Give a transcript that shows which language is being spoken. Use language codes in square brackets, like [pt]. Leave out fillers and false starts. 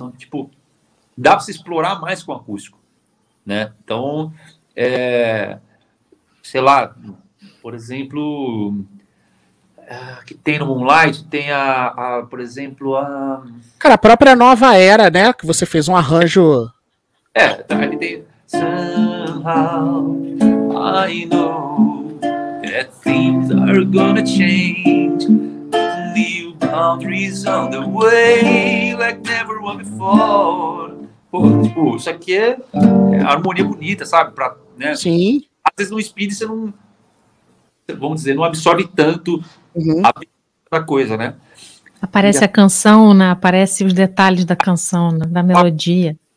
[pt] Então, tipo, dá pra se explorar mais com o acústico, né? Então, sei lá, por exemplo, que tem no Moonlight, tem por exemplo, a... Cara, a própria Nova Era, né? Que você fez um arranjo... É, tá, ele tem... [en] Somehow I know that things are gonna change. Boundaries on the way like never one before. [pt] Pô, tipo, isso aqui é harmonia bonita, sabe? Pra, né? Sim. Às vezes no speed você não, vamos dizer, não absorve tanto a coisa, né? Aparece a canção, né? Aparece os detalhes da canção, né? Da melodia.